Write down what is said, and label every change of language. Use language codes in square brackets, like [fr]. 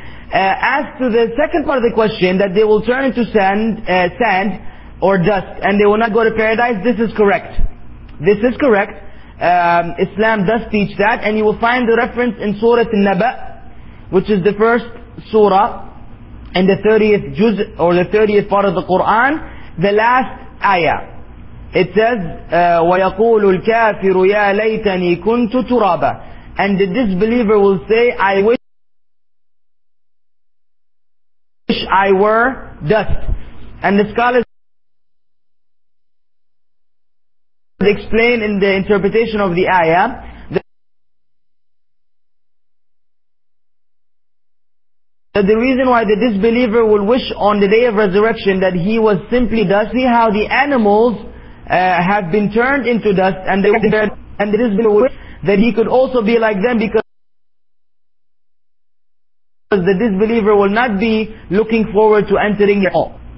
[en] As to the second part of the question, that they will turn into sand or dust and they will not go to paradise, this is correct. This is correct. Islam does teach that, and you will find the reference in Surah An-Naba, which is the first surah in the 30th juz or the 30th part of the Quran, the last ayah. It says, [ar] وَيَقُولُ الْكَافِرُ يَا لَيْتَنِي كُنْتُ تُرَابًا. [en] And the disbeliever will say, I wish I were dust. And the scholars explain in the interpretation of the ayah that the reason why the disbeliever will wish on the day of resurrection that he was simply dust, see how the animals have been turned into dust, and they were dead, and the disbeliever will wish that he could also be like them, because the disbeliever will not be looking forward to entering at all.